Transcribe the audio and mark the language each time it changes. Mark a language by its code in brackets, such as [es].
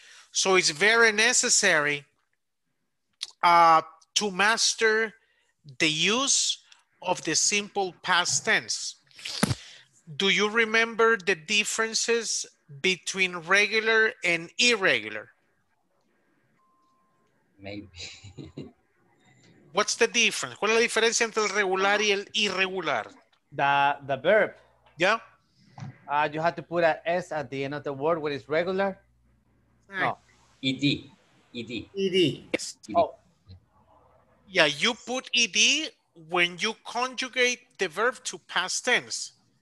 [en] So it's very necessary to master the use of the simple past tense. Do you remember the differences between regular and irregular? Maybe. What's the difference? [es] ¿Cuál es la diferencia entre el regular y el irregular? [en] The verb. Yeah. You have to put an S at the end of the word when it's regular. Right. No. E-D. E-D. E-D. Yes. E-D. Oh. Yeah, you put E-D when you conjugate the verb to past tense.